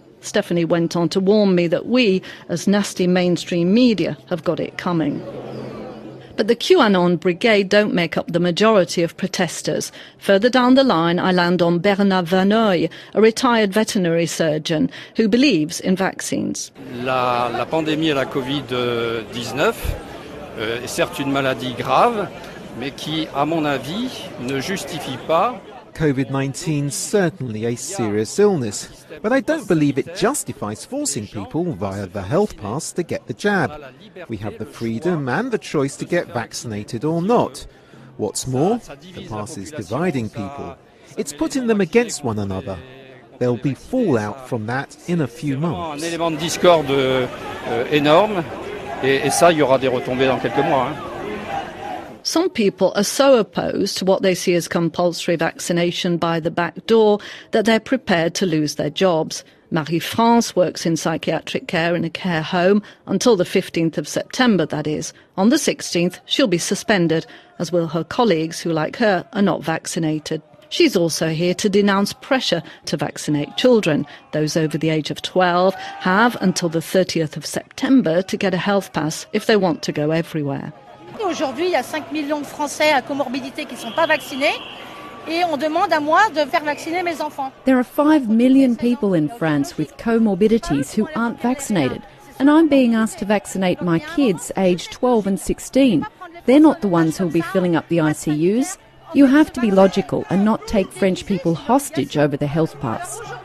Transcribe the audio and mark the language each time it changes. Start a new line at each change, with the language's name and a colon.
English: Stephanie went on to warn me that we, as nasty mainstream media, have got it coming. But the QAnon brigade don't make up the majority of protesters. Further down the line, I land on Bernard Verneuil, a retired veterinary surgeon who believes in vaccines.
French: La pandémie de la COVID-19 est certes une maladie grave, mais qui, à mon avis, ne justifie pas.
English: COVID-19 is certainly a serious illness, but I don't believe it justifies forcing people via the health pass to get the jab. We have the freedom and the choice to get vaccinated or not. What's more, the pass is dividing people. It's putting them against one another. There'll be fallout from that in a few months.
French: Un élément de discorde énorme, et ça, il y aura des retombées dans quelques mois.
English: Some people are so opposed to what they see as compulsory vaccination by the back door that they're prepared to lose their jobs. Marie-France works in psychiatric care in a care home until the 15th of September, that is. On the 16th, she'll be suspended, as will her colleagues who, like her, are not vaccinated. She's also here to denounce pressure to vaccinate children. Those over the age of 12 have until the 30th of September to get a health pass if they want to go everywhere.
French: Aujourd'hui, il y a 5 millions de Français à comorbidité qui ne sont pas vaccinés et on demande à moi de faire vacciner mes enfants.
English: There are 5 million people in France with comorbidities who aren't vaccinated, and I'm being asked to vaccinate my kids aged 12 and 16. They're not the ones who will be filling up the ICUs. You have to be logical and not take French people hostage over the health pass.